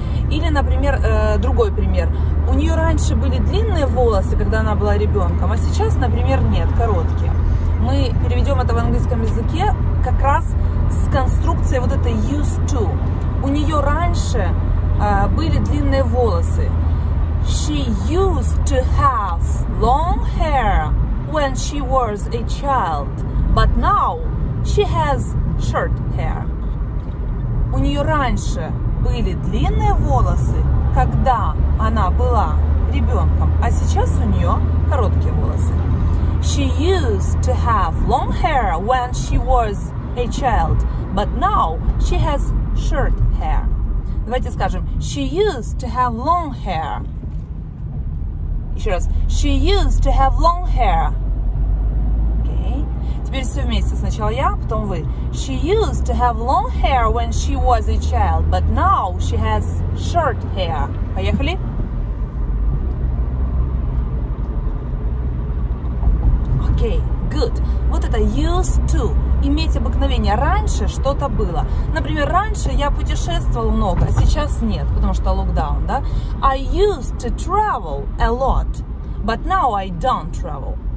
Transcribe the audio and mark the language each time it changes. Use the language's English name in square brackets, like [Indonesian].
[Russian] Или, например, другой пример. У нее раньше были длинные волосы, когда она была ребенком, а сейчас, например, нет, короткие. Мы переведем это в английском языке как раз с конструкцией вот этой used to. У нее раньше были длинные волосы. [English] She used to have long hair when she was a child, but now she has short hair. [Russian] У нее раньше были длинные волосы, когда она была ребенком, а сейчас у нее короткие волосы. [English] She used to have long hair when she was a child, but now she has short hair. [Russian] Давайте скажем, [English] she used to have long hair. [Russian] Еще раз. [English] She used to have long hair. Okay. [Russian] Теперь все вместе. Сначала я, потом вы. [English] She used to have long hair when she was a child, but now she has short hair. [Russian] Поехали. [English] Okay. Good. [Russian] Вот это used to. Иметь обыкновение. Раньше что-то было. Например, раньше я путешествовал много, а сейчас нет, потому что локдаун, да? [English] I used to travel a lot, but now I don't travel.